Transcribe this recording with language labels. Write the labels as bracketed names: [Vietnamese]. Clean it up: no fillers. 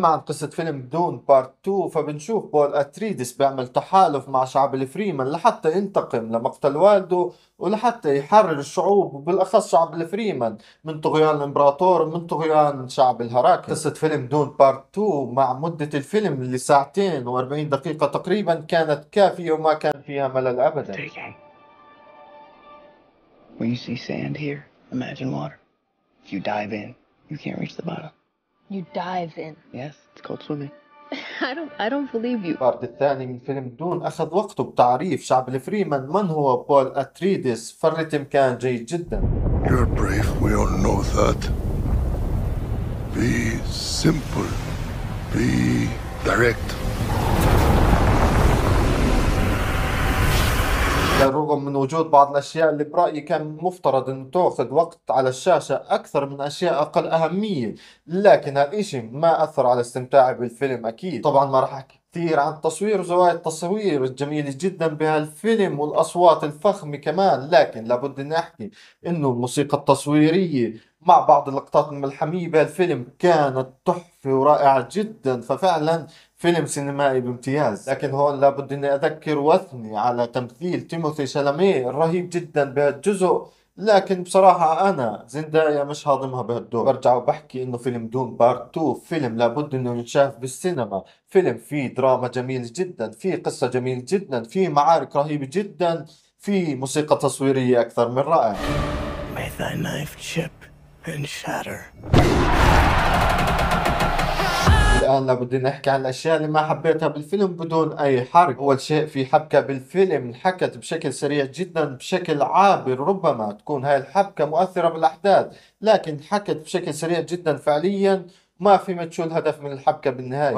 [Arabic] اما عن قصة فيلم دون بارت 2 فبنشوف بول اتريدس بيعمل تحالف مع شعب الفريمان لحتى ينتقم لمقتل والده، ولحتى يحرر الشعوب وبالاخص شعب الفريمان من طغيان الامبراطور، من طغيان شعب الهراكن. قصة فيلم دون بارت 2 مع مدة الفيلم اللي ساعتين و40 دقيقة تقريبا كانت كافية وما كان فيها ملل ابدا. [English] When you see sand here, imagine water. If you dive in, you can't reach the bottom. You dive in. Yes, it's called swimming. I don't believe you. [Arabic] البارت الثاني من فيلم دون أخذ وقته بتعريف شعب الفريمان من هو بول أتريدس، فالريتم كان جيد جدا. [English] You're brave, we all know that. Be simple. Be direct. [Arabic] رغم من وجود بعض الأشياء اللي برأيي كان مفترض أن تأخذ وقت على الشاشة أكثر من أشياء أقل أهمية، لكن هالإشي ما أثر على استمتاعي بالفيلم. أكيد طبعا ما راح أحكي كثير عن التصوير وزوايا التصوير الجميلة جدا بهالفيلم والأصوات الفخمة كمان، لكن لابد أن أحكي أنه الموسيقى التصويرية مع بعض اللقطات الملحمية بهالفيلم كانت تحفة ورائعة جدا، ففعلا فيلم سينمائي بامتياز. لكن هون لابد اني اذكر واثني على تمثيل تيموثي شالامي الرهيب جدا بهالجزء، لكن بصراحة انا زندايا مش هاضمها بهالدور. برجع وبحكي انه فيلم دون بارت 2 فيلم لابد انه ينشاف بالسينما، فيلم فيه دراما جميل جدا، فيه قصة جميل جدا، فيه معارك رهيبة جدا، فيه موسيقى تصويرية اكثر من رائعة. [English] May thy knife chip and shatter. [Arabic] الآن لابد نحكي عن الأشياء اللي ما حبيتها بالفيلم بدون أي حرق. أول شيء، في حبكة بالفيلم انحكت بشكل سريع جدا بشكل عابر، ربما تكون هاي الحبكة مؤثرة بالأحداث لكن انحكت بشكل سريع جدا فعليا، ما في شو الهدف من الحبكة بالنهاية.